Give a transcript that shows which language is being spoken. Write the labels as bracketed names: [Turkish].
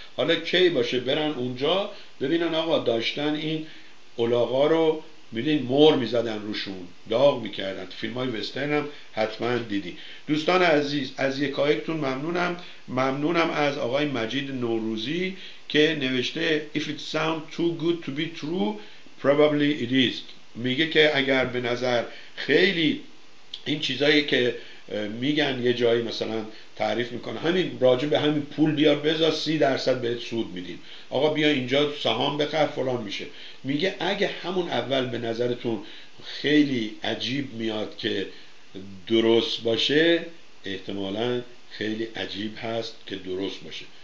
[Persian] حالا کی باشه برن اونجا ببینن آقا داشتن این الاغا رو میدین مور میزدن روشون، داغ میکردن. فیلمای وسترن هم حتما دیدی. دوستان عزیز، از یکایکتون ممنونم. ممنونم از آقای مجید نوروزی که نوشته [English] If it sounds too good to be true, probably it is. [Persian] میگه که اگر به نظر خیلی این چیزایی که میگن یه جایی مثلا تعریف میکنه، همین راجع به همین پول بیار بذار 30% بهت سود میدیم، آقا بیا اینجا سهام بخر فلان میشه، میگه اگه همون اول به نظرتون خیلی عجیب میاد که درست باشه، احتمالا خیلی عجیب هست که درست باشه.